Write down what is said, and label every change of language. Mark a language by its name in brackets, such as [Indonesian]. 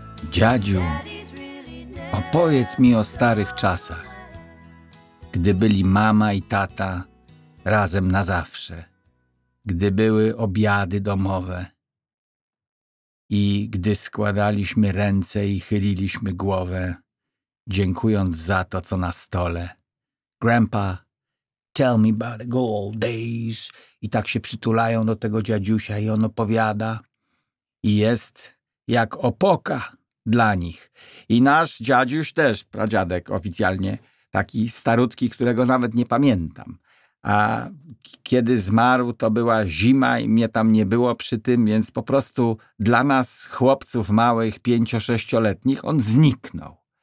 [Polish] Dziadziu, opowiedz mi o starych czasach, gdy byli mama i tata razem na zawsze, gdy były obiady domowe i gdy składaliśmy ręce i chyliliśmy głowę, dziękując za to, co na stole. [English] Grandpa, tell me about the good old days. [Polish] I tak się przytulają do tego dziadziusia i on opowiada i jest jak opoka dla nich. I nasz dziadziuś też, pradziadek oficjalnie, taki starutki, którego nawet nie pamiętam. A kiedy zmarł, to była zima i mnie tam nie było przy tym, więc po prostu dla nas, chłopców małych, 5-6-letnich, on zniknął.